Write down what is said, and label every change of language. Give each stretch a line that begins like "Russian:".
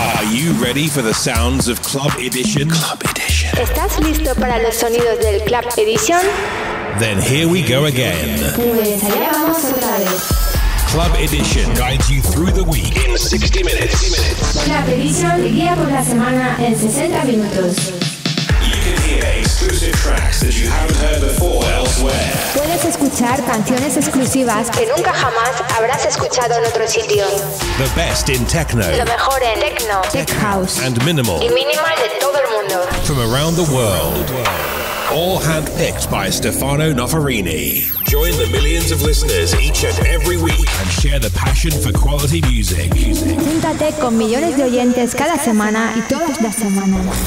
English: you ready for the sounds of Club Edition? Club Edition.
Spanish: ¿Estás listo para los sonidos del Club Edition?
English: Then here we go again. Pues Club Edition guides you through the week in 60 minutes.
Spanish: Club Edition guía por la semana en 60 minutos.
English: You can hear exclusive tracks that you haven't heard before elsewhere.
Spanish: Puedes escuchar canciones exclusivas que nunca jamás habrás escuchado en otro sitio.
English: The best in techno.
Spanish: Lo mejor en techno,
English: tech house and minimal.
Spanish: Y minimal de todo el mundo.
English: From around the world. All handpicked by Stefano Noferini. Join the millions of listeners each and every week and share the passion for quality music.
Spanish: Júntate con millones de oyentes cada semana y todas las semanas.